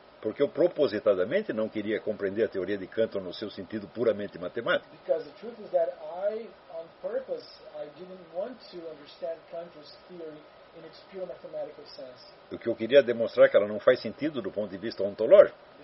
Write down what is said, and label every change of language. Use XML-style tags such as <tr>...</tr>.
<pt>Porque eu propositadamente não queria compreender a teoria de Cantor no seu sentido puramente matemático.</pt> <en>Because the truth is that I, on purpose, I didn't want to understand Cantor's theory in its pure mathematical sense.</en> <pt>O que eu queria demonstrar é que ela não faz sentido do ponto de vista ontológico.</pt>